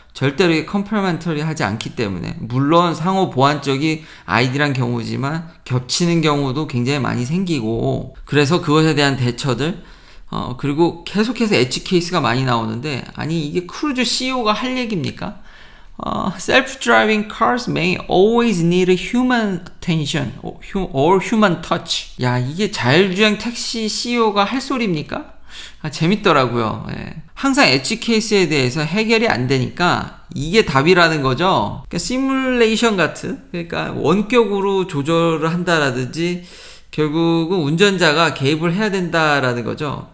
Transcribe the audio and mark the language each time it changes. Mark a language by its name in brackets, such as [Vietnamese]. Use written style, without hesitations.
[Korean] 절대로 이게 컴플리멘터리 하지 않기 때문에. 물론 상호 보완적이 아이디란 경우지만, 겹치는 경우도 굉장히 많이 생기고, 그래서 그것에 대한 대처들, 그리고 계속해서 엣지 케이스가 많이 나오는데, 아니 이게 크루즈 CEO가 할 얘기입니까? [English] Self-driving cars may always need a human attention or human touch. [Korean] 야, 이게 자율주행 택시 CEO가 할 소리입니까? 아, 재밌더라고요. 예. 항상 엣지 케이스에 대해서 해결이 안 되니까 이게 답이라는 거죠. 그러니까 시뮬레이션 같은, 그러니까 원격으로 조절을 한다라든지 결국은 운전자가 개입을 해야 된다라는 거죠.